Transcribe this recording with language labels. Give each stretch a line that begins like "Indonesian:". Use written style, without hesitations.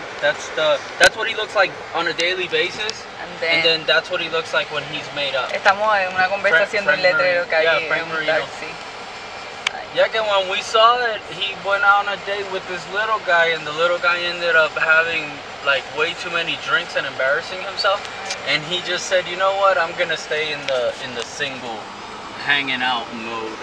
English: That's what he looks like on a daily basis. And then that's what he looks like when he's made up.
Spanish: Estamos en una conversación del letrero que hay en un taxi.
English: Yeah, because when we saw it, he went out on a date with this little guy, and the little guy ended up having like way too many drinks and embarrassing himself. And he just said, you know what? I'm gonna stay in the single, hanging out mode.